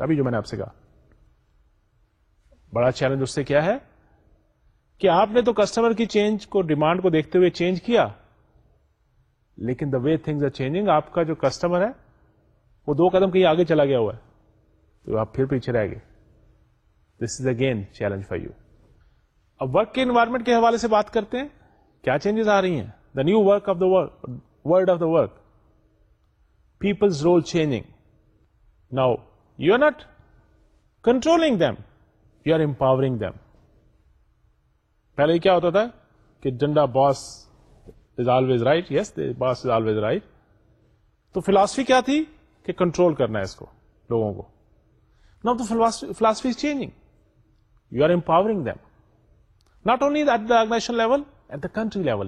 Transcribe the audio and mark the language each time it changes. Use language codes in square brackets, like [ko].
[ur] ابھی جو میں نے آپ سے کہا بڑا چیلنج اس سے کیا ہے کہ آپ نے تو کسٹمر کی چینج کو ڈیمانڈ کو دیکھتے ہوئے چینج کیا, لیکن [en] the way things are changing, [ur] آپ کا جو کسٹمر ہے وہ دو قدم کہیں آگے چلا گیا ہوا ہے, تو آپ پھر پیچھے رہ گئے. [en] This is again challenge for you. [ur] اب ورک کے انوائرمنٹ کے حوالے سے بات کرتے ہیں, کیا چینجز آ رہی ہیں. [en] The new work of the world of the work, peoples role changing. Now you are not controlling them, you are empowering them. [ur] پہلے کیا ہوتا تھا کہ ڈنڈا, [en] Boss is always right. Yes, boss is always right. [ur] تو philosophy کیا تھی کہ control کرنا ہے اس کو, لوگوں کو. [en] نا تو philosophy is changing, you are empowering them not only at the organization level, at the country level.